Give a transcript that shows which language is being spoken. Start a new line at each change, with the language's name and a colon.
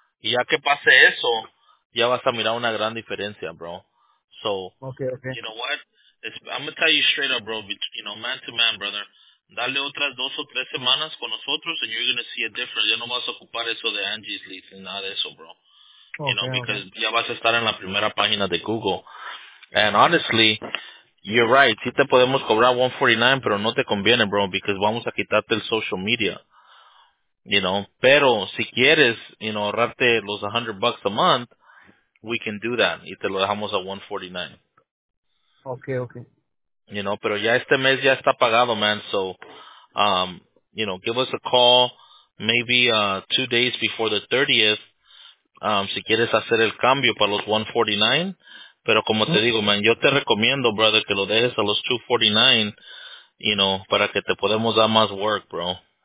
Spanish: Y ya que pase eso, ya vas a mirar una gran diferencia, bro.
English: So, Okay. you know what? I'm gonna tell you straight up, bro, man to man, brother.
Spanish: Dale otras 2 o 3 semanas con nosotros
English: and you're gonna see a difference.
Spanish: Ya no vas a ocupar eso de Angie's leads ni nada de eso, bro.
English: Okay. Because
Spanish: ya vas a estar en la primera página de Google.
English: And honestly, you're right.
Spanish: Sí te podemos cobrar 149, pero no te conviene, bro,
English: because
Spanish: vamos a quitarte el social media. Pero si quieres, ahorrarte los $100
English: a month, we can do that.
Spanish: Y te lo dejamos a 149.
English: Okay.
Spanish: Pero ya este mes ya está pagado, man.
English: So, give us a call maybe 2 days before the 30th.
Spanish: Si quieres hacer el cambio para los 149, pero como te digo, man, yo te recomiendo, brother, que lo dejes a los 249, para que te podemos dar más work, bro.